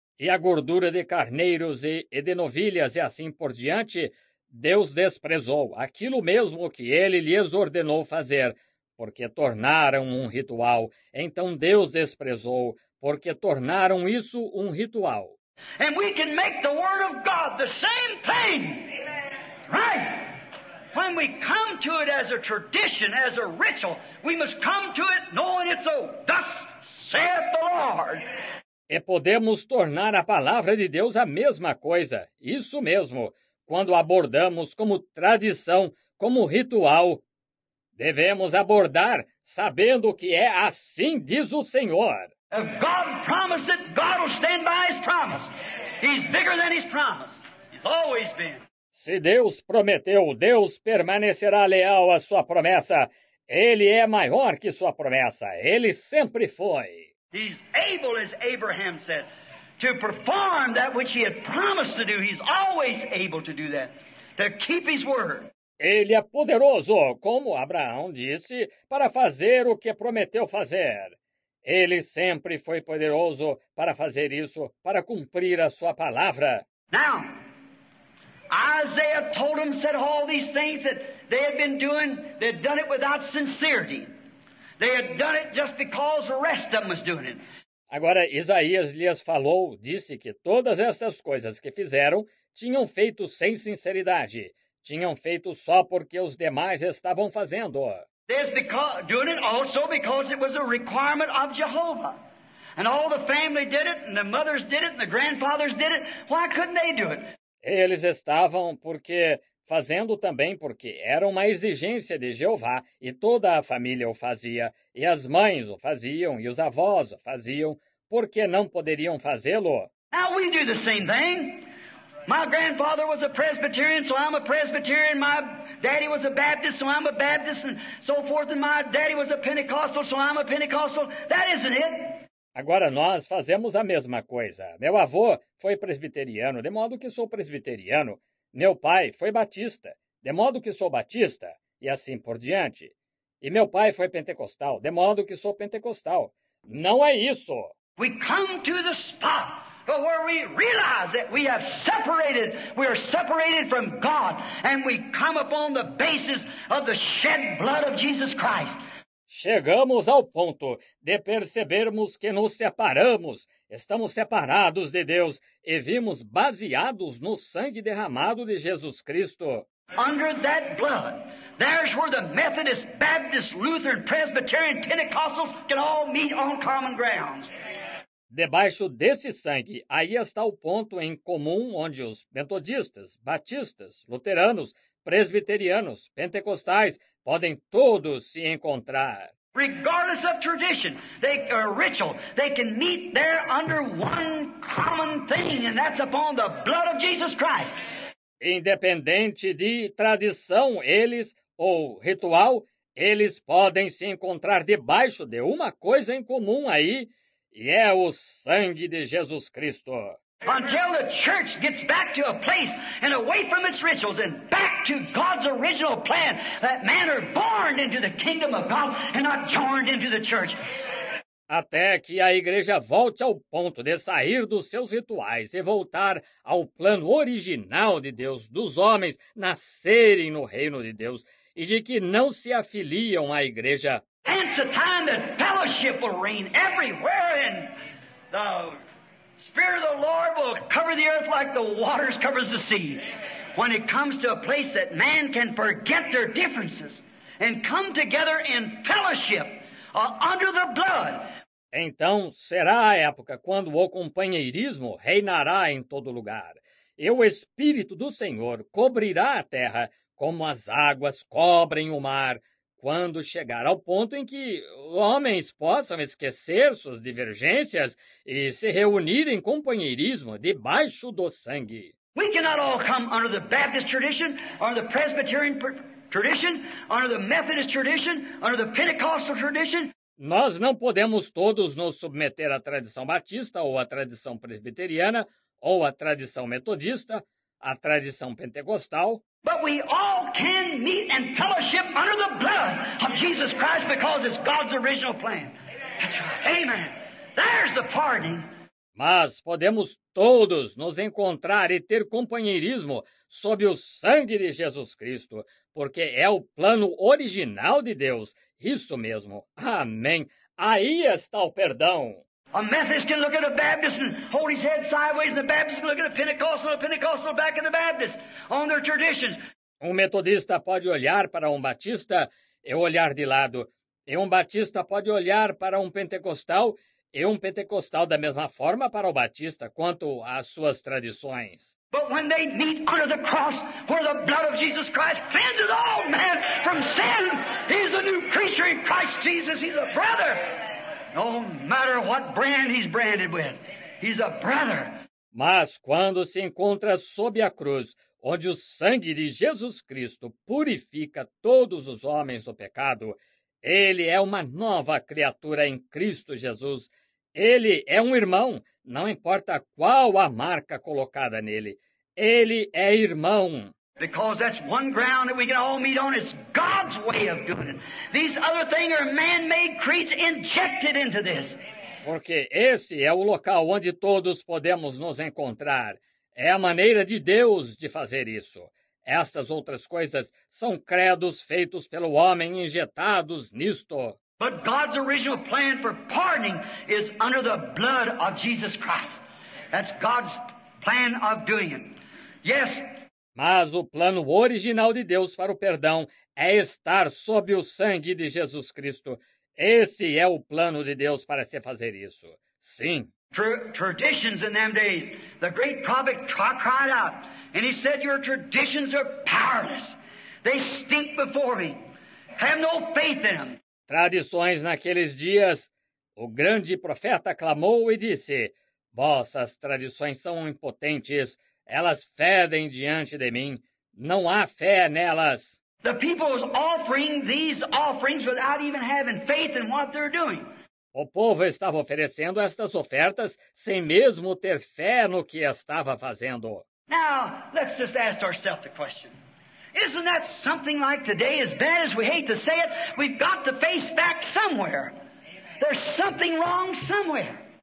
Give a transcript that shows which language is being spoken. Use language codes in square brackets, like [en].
[pt] E a gordura de carneiros e de novilhas e assim por diante, Deus desprezou aquilo mesmo que ele lhes ordenou fazer, porque tornaram um ritual. Então Deus desprezou, porque tornaram isso um ritual. [en] And we can make the word of God the same thing. Right? When we come to it as a tradition, as a ritual, we must come to it knowing it's so. Thus saith the Lord. [pt] E podemos tornar a palavra de Deus a mesma coisa. Isso mesmo. Quando abordamos como tradição, como ritual, devemos abordar sabendo que é assim diz o Senhor. [en] If God promised it, God will stand by his promise. He's bigger than his promise. He's always been. [pt] Se Deus prometeu, Deus permanecerá leal à sua promessa. Ele é maior que sua promessa. Ele sempre foi. [en] He's able, as Abraham said, to perform that which he had promised to do. He's always able to do that, to keep his word. [pt] Ele é poderoso, como Abraão disse, para fazer o que prometeu fazer. Ele sempre foi poderoso para fazer isso, para cumprir a sua palavra. [en] Now, Isaiah told him, said all these things that they had been doing, they had done it without sincerity. They had done it just because the rest of them was doing it. [pt] Agora, Isaías lhes falou, disse que todas estas coisas que fizeram tinham feito sem sinceridade. Tinham feito só porque os demais estavam fazendo. [en] Doing it also because it was a requirement of Jehovah. And all the family did it, and the mothers did it, and the grandfathers did it. Why couldn't they do it? [pt] Eles estavam porque fazendo também porque era uma exigência de Jeová, e toda a família o fazia, e as mães o faziam, e os avós o faziam. Por que não poderiam fazê-lo? [en] Now we do the same thing. My grandfather was a Presbyterian, so I'm a Presbyterian. My daddy was a Baptist, so I'm a Baptist, and so forth. And my daddy was a Pentecostal, so I'm a Pentecostal. That isn't it. [pt] Agora nós fazemos a mesma coisa. Meu avô foi presbiteriano, de modo que sou presbiteriano. Meu pai foi batista, de modo que sou batista, e assim por diante. E meu pai foi pentecostal, de modo que sou pentecostal. Não é isso. [en] We come to the spot where we realize that we have separated, we are separated from God, and we come upon the basis of the shed blood of Jesus Christ. [pt] Chegamos ao ponto de percebermos que nos separamos, estamos separados de Deus e vimos baseados no sangue derramado de Jesus Cristo. [en] Under that blood, there's where the Methodist, Baptist, Lutheran, Presbyterian, Pentecostals can all meet on common ground. [pt] Debaixo desse sangue, aí está o ponto em comum onde os metodistas, batistas, luteranos, presbiterianos, pentecostais, podem todos se encontrar. [en] Regardless of tradition, they or ritual, they can meet there under one common thing, and that's upon the blood of Jesus Christ. [pt] Independente de tradição, eles ou ritual, eles podem se encontrar debaixo de uma coisa em comum aí, e é o sangue de Jesus Cristo. [en] Until the church gets back to a place and away from its rituals and back to God's original plan, that man are born into the kingdom of God and not joined into the church. [pt] Até que a igreja volte ao ponto de sair dos seus rituais e voltar ao plano original de Deus, dos homens nascerem no reino de Deus e de que não se afiliam à igreja. [en] Hence a time that fellowship will reign everywhere in the Spirit of the Lord will cover the earth like the waters covers the sea. When it comes to a place that man can forget their differences and come together in fellowship under the blood. [pt] Então será a época quando o companheirismo reinará em todo lugar. E o Espírito do Senhor cobrirá a terra como as águas cobrem o mar, quando chegar ao ponto em que homens possam esquecer suas divergências e se reunir em companheirismo debaixo do sangue. [en] We cannot all come under the Baptist tradition, under the Presbyterian tradition, under the Methodist tradition, under the Pentecostal tradition. [pt] Nós não podemos todos nos submeter à tradição batista ou à tradição presbiteriana ou à tradição metodista, à tradição pentecostal. [en] But we all can meet and fellowship under the blood of Jesus Christ because it's God's original plan. That's right. Amen. There's the pardoning. [pt] Mas podemos todos nos encontrar e ter companheirismo sob o sangue de Jesus Cristo, porque é o plano original de Deus. Isso mesmo. Amém. Aí está o perdão. [en] A Methodist can look at a Baptist and hold his head sideways, and the Baptist can look at a Pentecostal back at the Baptist on their tradition. [pt] Um metodista pode olhar para um batista e olhar de lado. E um batista pode olhar para um pentecostal e um pentecostal da mesma forma para o batista quanto às suas tradições. [en] But when they meet under the cross where the blood of Jesus Christ cleanses all men from sin, he's a new creature in Christ Jesus, he's a brother. No matter what brand he's branded with, he's a brother. [pt] Mas quando se encontra sob a cruz, onde o sangue de Jesus Cristo purifica todos os homens do pecado, ele é uma nova criatura em Cristo Jesus. Ele é um irmão, não importa qual a marca colocada nele. Ele é irmão. [en] Because that's one ground that we can all meet on. It's God's way of doing it. These other things are man-made creeds injected into this. [pt] Porque esse é o local onde todos podemos nos encontrar. É a maneira de Deus de fazer isso. Estas outras coisas são credos feitos pelo homem injetados nisto. [en] But God's original plan for pardoning is under the blood of Jesus Christ. That's God's plan of doing it. Yes. [pt] Mas o plano original de Deus para o perdão é estar sob o sangue de Jesus Cristo. Esse é o plano de Deus para se fazer isso. Sim. [en] Traditions in them days, the great prophet cried out, and he said, your traditions are powerless. They stink before me. Have no faith in them. [pt] Tradições naqueles dias, o grande profeta clamou e disse, vossas tradições são impotentes, elas fedem diante de mim, não há fé nelas. [en] The people is offering these offerings without even having faith in what they're doing. [pt] O povo estava oferecendo estas ofertas sem mesmo ter fé no que estava fazendo. [en] Now, let's just ask ourselves the question. Isn't that something like today, as bad as we hate to say it, we've got to face back somewhere. There's something wrong somewhere.